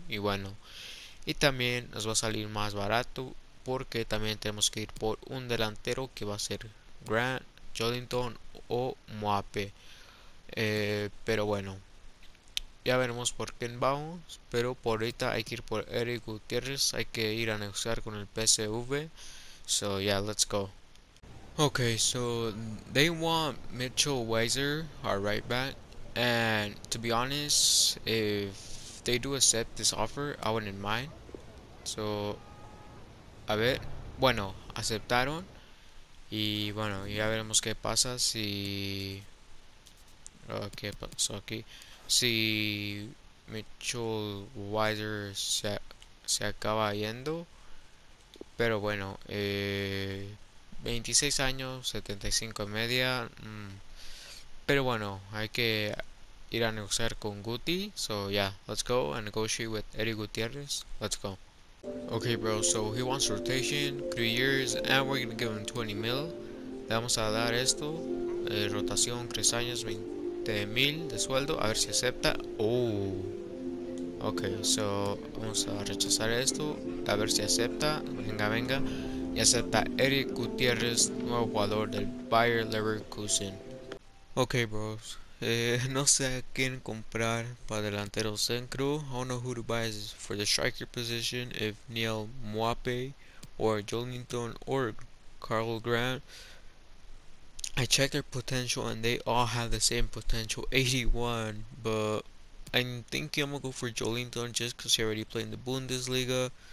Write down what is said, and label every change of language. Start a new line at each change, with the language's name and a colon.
Spanish: Y bueno, y también nos va a salir más barato porque también tenemos que ir por un delantero que va a ser Grant, Joelinton o Mbappé. Pero bueno, ya veremos por quién vamos. Pero por ahorita hay que ir por Eric Gutiérrez. Hay que ir a negociar con el PSV.
English: So, yeah, let's go. Okay, so they want Mitchell Weiser, our right back. And to be honest, if they do accept this offer, I wouldn't mind. So,
Spanish: a ver. Bueno, aceptaron. Y bueno, ya veremos qué pasa si. ¿Qué pasó aquí? Si Mitchell Weiser se acaba yendo. Pero bueno, 26 años, 75 en media. Pero bueno, hay que ir a negociar con Guti.
English: So, yeah, let's go and negotiate with Eric Gutiérrez. Let's go. Okay, bro, so he wants rotation, 3 years, and we're gonna give him 20 mil.
Spanish: Le vamos a dar esto: rotación, 3 años, 20 mil de sueldo. A ver si acepta. Oh, okay, so vamos a rechazar esto. A ver si acepta. Venga, venga. Y acepta Eric Gutiérrez, nuevo jugador del Bayer Leverkusen. Ok, bros. No sé a quién comprar para delantero centro.
English: I don't know who to buy for the striker position. If Neil Mwape or Joelinton or Carl Grant. I checked their potential and they all have the same potential, 81. But I'm thinking I'm gonna go for Joelinton just because he already played in the Bundesliga.